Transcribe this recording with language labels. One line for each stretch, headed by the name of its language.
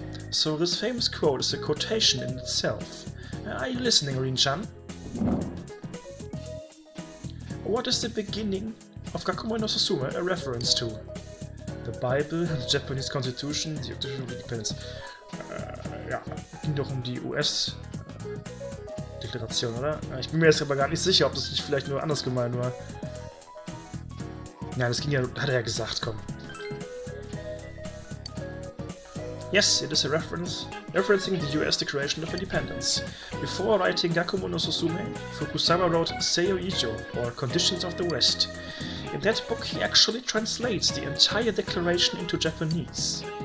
English: So this famous quote is a quotation in itself. Are you listening, Rin-chan? What is the beginning of Gakumono Suzume a reference to? The Bible, the Japanese Constitution, the Declaration of Independence.
German: Ja, ging doch um die US-Deklaration, oder? Ich bin mir jetzt aber gar nicht sicher, ob das nicht vielleicht nur anders gemeint war. Nein, das ging ja, hat er ja gesagt, komm.
English: Yes, it is a referencing the US Declaration of Independence. Before writing Gakumono Suzume, Fukusawa wrote Seiyo Ijo, or Conditions of the West. In that book, he actually translates the entire declaration into Japanese.